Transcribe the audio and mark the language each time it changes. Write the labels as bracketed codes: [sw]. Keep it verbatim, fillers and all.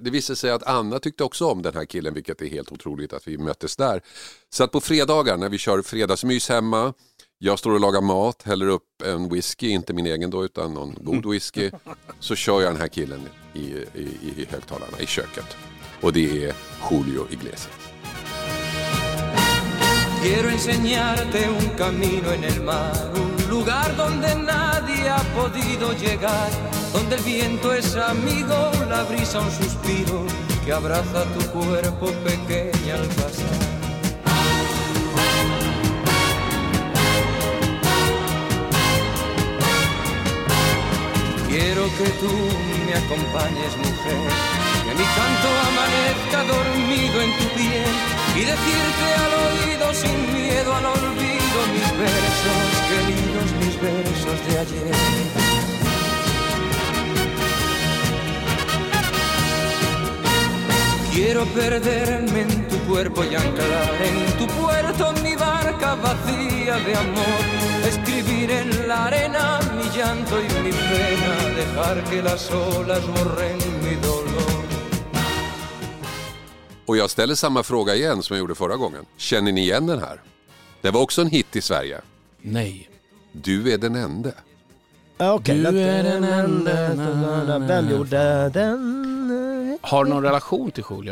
[sv] Det visar sig att Anna tyckte också om den här killen, vilket är helt otroligt att vi möttes där. Så att på fredagar när vi kör fredagsmys hemma... Jag står och lagar mat, häller upp en whisky, inte min egen då utan någon god whisky. Så kör jag den här killen i, i, i högtalarna i köket. Och det är Julio Iglesias. [es] Quiero enseñarte un camino en el mar, un lugar donde nadie ha podido llegar. donde el viento es amigo, la brisa un suspiro que abraza tu cuerpo pequeña al pasar. Quiero que tú me acompañes, mujer, que mi canto amanezca dormido en tu piel y decirte al oído sin miedo al olvido mis versos queridos, mis versos de ayer. Quiero perderme en tu cuerpo y anclar en tu puerto mi barca vacía de amor. Escribir en la arena mi llanto y mi pena, dejar que las olas borren mi dolor. [sv] Och jag ställer samma fråga igen som jag gjorde förra gången. Känner ni igen den här? Det var också en hit i Sverige. Nej. Du är den enda. Okay. Du är den enda. Vem gjorde den? Har någon relation till Julia?